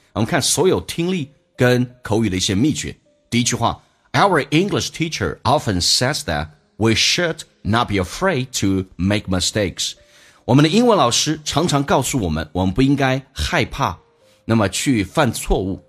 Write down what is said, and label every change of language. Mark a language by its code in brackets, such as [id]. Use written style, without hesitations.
[zh] 我们看所有听力跟口语的一些秘诀。第一句话， [en] Our English teacher often says that we should not be afraid to make mistakes. [zh] 我们的英文老师常常告诉我们，我们不应该害怕，那么去犯错误。